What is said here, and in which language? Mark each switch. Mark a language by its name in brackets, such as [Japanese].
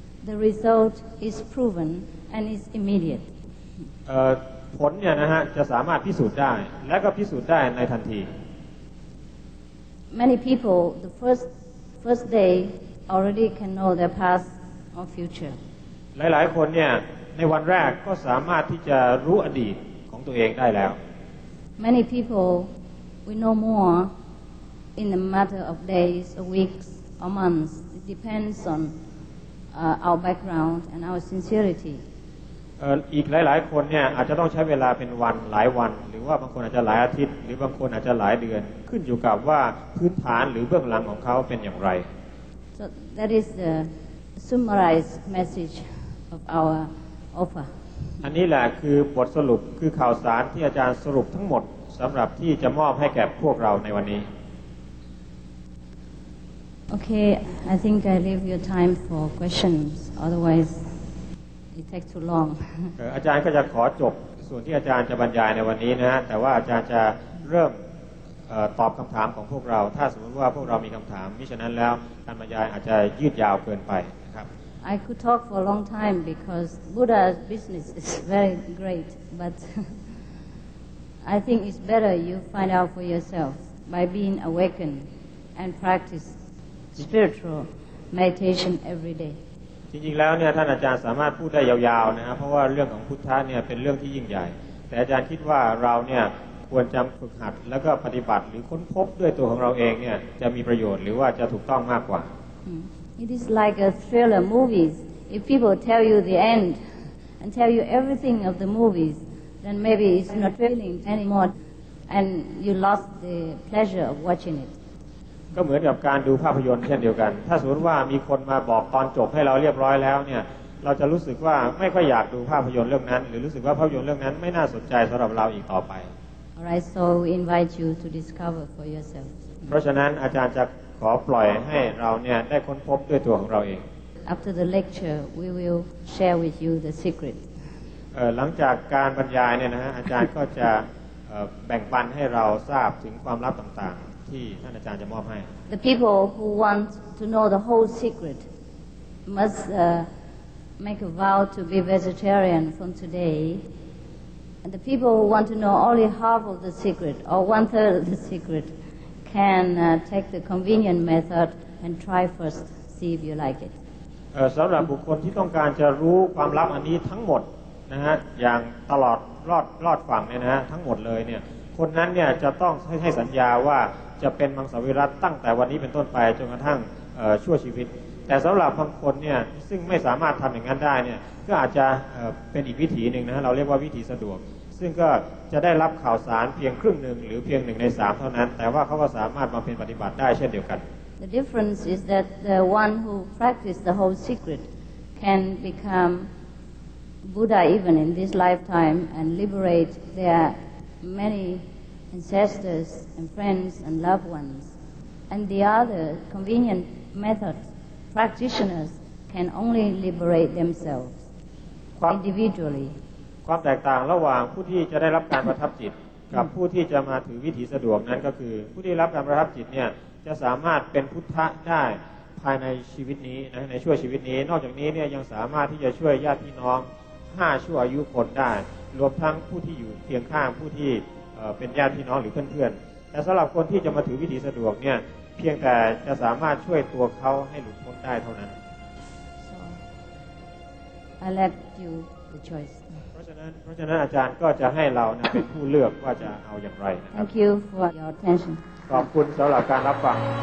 [English] The result is proven and is immediate. [Thai] ผลเนี่ยนะฮะจะสามารถพิสูจน์ได้และก็พิสูจน์ได้ในทันที [English] Many people the first day already can know their past or future [Thai] หลายๆคนเนี่ยในวันแรกก็สามารถที่จะรู้อดีตของตัวเองได้แล้ว [English] Many people we know more in a matter of days or weeks or months it depends on our background and our sincerity [Thai] อีกหลายๆคนเนี่ยอาจจะต้องใช้เวลาเป็นวันหลายวันหรือว่าบางคนอาจจะหลายอาทิตย์หรือบางคนอาจจะหลายเดือนขึ้นอยู่กับว่าพื้นฐานหรือเบื้องหลังของเขาเป็นอย่างไร [English] So that is the summarized message of our offer [Thai] อันนี้แหละคือบทสรุปคือข่าวสารที่อาจารย์สรุปทั้งหมดสำหรับที่จะมอบให้แก่พวกเราในวันนี้ [English] Okay I think I leave your time for questions otherwiseIt takes too long. [Thai] อาจารย์ก็จะขอจบส่วนที่อาจารย์จะบรรยายในวันนี้นะฮะแต่ว่าอาจารย์จะเริ่มตอบคำถามของพวกเราถ้าสมมติว่าพวกเรามีคำถามมิฉะนั้นแล้วการบรรยายอาจจะยืดยาวเกินไปนะครับ [English] I could talk for a long time because Buddha's business is very great but I think it's better you find out for yourself by being awakened and practice spiritual meditation every day [Thai] จริงๆแล้วเนี่ยท่านอาจารย์สามารถพูดได้ยาวๆนะครับเพราะว่าเรื่องของพุทธะเนี่ยเป็นเรื่องที่ยิ่งใหญ่แต่อาจารย์คิดว่าเราเนี่ยควรจะฝึกหัดแล้วก็ปฏิบัติหรือค้นพบด้วยตัวของเราเองเนี่ยจะมีประโยชน์หรือว่าจะถูกต้องมากกว่า [English] It is like a thriller movies if people tell you the end and tell you everything of the movies then maybe it's not thrilling anymore and you lost the pleasure of watching it [Thai] ก็เหมือนกับการดูภาพยนตร์เช่นเดียวกันถ้าสมมติว่ามีคนมาบอกตอนจบให้เราเรียบร้อยแล้วเนี่ยเราจะรู้สึกว่าไม่ค่อยอยากดูภาพยนตร์เรื่องนั้นหรือรู้สึกว่าภาพยนตร์เรื่องนั้นไม่น่าสนใจสำหรับเราอีกต่อไป [English] All right, so we invite you to discover for yourself [Thai] เพราะฉะนั้นอาจารย์จะ ขอปล่อยให้เราเนี่ยได้ค้นพบด้วยตัวของเราเอง [English] After the lecture we will share with you the secret [Thai] หลังจากการบรรยายเนี่ยนะฮะอาจารย์ก็จะแบ่งปันให้เราทราบถึงความลับต่างๆที่ท่านอาจารย์จะมอบให้ [English] The people who want to know the whole secret must make a vow to be vegetarian from today and the people who want to know only half of the secret or one third of the secret can take the convenient method and try first see if you like it [Thai] สำหรับบุคคลที่ต้องการจะรู้ความลับอันนี้ทั้งหมดนะฮะอย่างตลอดรอดฝั่งเนี่ยนะฮะทั้งหมดเลยเนี่ยคนนั้นเนี่ยจะต้องให้สัญญาว่าจะเป็นมังสวิรัตตั้งแต่วันนี้เป็นต้นไปจนกระทั่งชั่วชีวิตแต่สำหรับบางคนเนี่ยซึ่งไม่สามารถทำอย่างนั้นได้เนี่ยก็อาจจะเป็นอีกวิธีหนึ่งนะเราเรียกว่าวิธีสะดวกซึ่งก็จะได้รับข่าวสารเพียงครึ่งหนึ่งหรือเพียง1ใน3เท่านั้นแต่ว่าเขาก็สามารถมาเป็นปฏิบัติได้เช่นเดียวกัน [English] The difference is that the one who practice the whole secret can become Buddha even in this lifetime and liberate their many ancestors and friends and loved ones and the other convenient methodPractitioners can only liberate themselves individually. [Thai] ความแตกต่างระหว่างผู้ที่จะได้รับการประทับจิตกับผู้ที่จะมาถือวิถีสะดวกนั้นก็คือผู้ที่รับการประทับจิตเนี่ยจะสามารถเป็นพุทธะได้ภายในชีวิตนี้ในช่วงชีวิตนี้นอกจากนี้เนี่ยยังสามารถที่จะช่วยญาติพี่น้อง5ชั่วอายุคนได้รวมทั้งผู้ที่อยู่เคียงข้างผู้ที่เป็นญาติพี่น้องหรือเพื่อนๆแต่สำหรับคนที่จะมาถือวิถีสะดวกเนี่ยเพียงแต่จะสามารถช่วยตัวเขาให้หลุดพ้นได้เท่านั้น [English] I left you the choice [Thai] เพราะฉะนั้นอาจารย์ก็จะให้เราเป็นผู้เลือกว่าจะเอาอย่างไรนะครับ [English] Thank you for your attention [Thai] ขอบคุณสำหรับการรับฟัง